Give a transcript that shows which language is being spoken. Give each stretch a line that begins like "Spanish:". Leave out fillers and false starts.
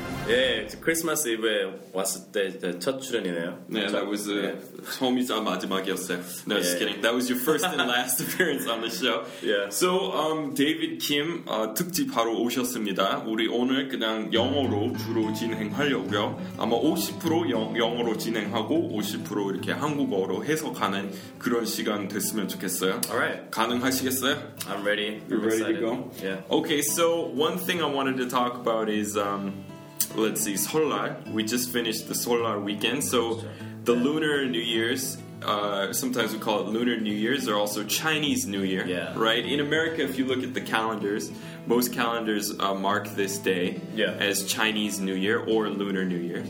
Korean: 예, 크리스마스 이브에 왔을 때 첫 출연이네요.
English: 네, that was
Korean: 처음이자 마지막이었어요.
English: No, just kidding. That was your first and last appearance on the show. Yeah.
Korean: So, David Kim 특집하러 오셨습니다. 우리 오늘 그냥 영어로 주로 진행하려고요. 아마 50% 영어로 진행하고 50% 이렇게 한국어로 해석하는 그런 시간 됐으면 좋겠어요.
English: Alright.
Korean: 가능하시겠어요?
English: I'm ready. You're ready to go? Yeah. Okay, so one thing I wanted to talk about is... let's see, 설날. We just finished the 설날 weekend. So the Lunar New Year's, sometimes we call it Lunar New Year's, or also Chinese New Year, yeah. Right? In America, if you look at the calendars, most calendars mark this day as Chinese New Year or Lunar New Year.